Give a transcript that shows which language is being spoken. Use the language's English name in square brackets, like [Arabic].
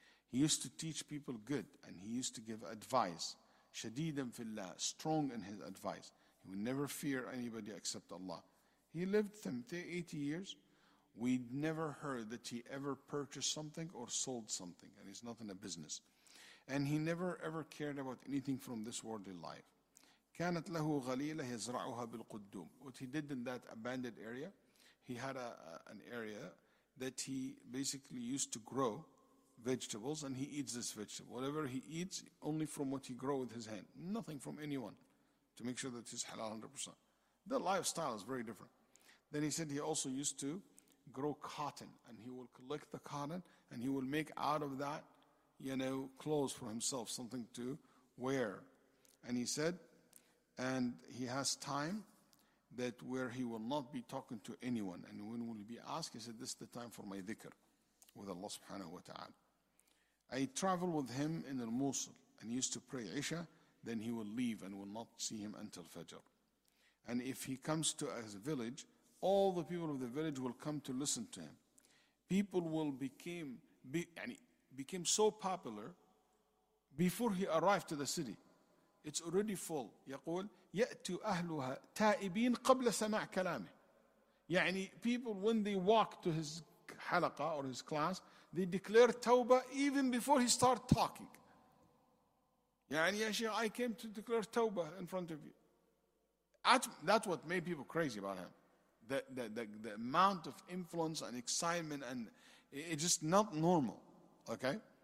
[English] He used to teach people good and he used to give advice, shadidan fillah, strong in his advice. He would never fear anybody except Allah. He lived 80 years. We'd never heard that he ever purchased something or sold something, and he's not in a business. And he never ever cared about anything from this worldly life. [Arabic] كانت له غليلة يزرعها بالقدوم. [English] What he did in that abandoned area, he had an area that he basically used to grow vegetables, and he eats this vegetable. Whatever he eats, only from what he grows with his hand, nothing from anyone, to make sure that he's halal 100%. The lifestyle is very different. Then he said he also used to grow cotton, and he will collect the cotton, and he will make out of that, you know, clothes for himself, something to wear. And he said, and he has time that where he will not be talking to anyone, and when will he be asked, he said, this is the time for my dhikr with Allah subhanahu wa ta'ala. I travel with him in al-Musul, and he used to pray Isha, then he will leave and will not see him until Fajr. And if he comes to his village, all the people of the village will come to listen to him. People will became so popular before he arrived to the city. It's already full. [Arabic] يقول يأتي أهلها تائبين قبل سماع كلامه. [English] يعني people, when they walk to his halaqa or his class, they declare tawbah even before he start talking. [Arabic] يعني يا شيخ, [English] I came to declare tawbah in front of you. That's what made people crazy about him. The amount of influence and excitement, and it's just not normal, okay?